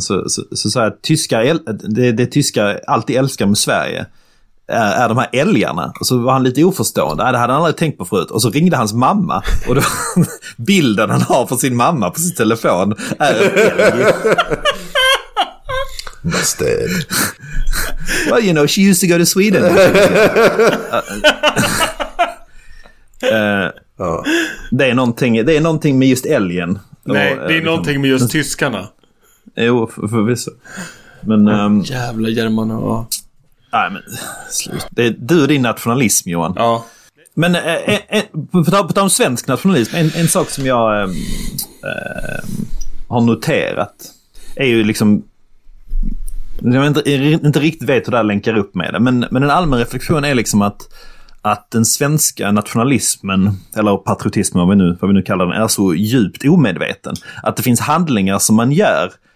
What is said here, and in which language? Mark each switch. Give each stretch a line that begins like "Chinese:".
Swedish: Så sa jag att det tyskar alltid älskar med Sverige är de här älgarna. Och så var han lite oförstående. Det hade han aldrig tänkt på förut. Och så ringde hans mamma. Och då, bilden han har för sin mamma på sin telefon är en älg.
English: Bastard. Well, you know, she used to go to Sweden.
Swedish: det är någonting med just älgen. Nej, det är någonting med just tyskarna. Jo, för vissa. Men jävla germaner. Nej, men slut. Det är du och din nationalism, Johan. Ja. Men på tal om svensk nationalism, en sak som jag har noterat är ju liksom, jag inte riktigt vet hur det här länkar upp med det, men en allmän reflektion är liksom att den svenska nationalismen eller patriotismen, vad vi nu kallar den, är så djupt omedveten att det finns handlingar som man gör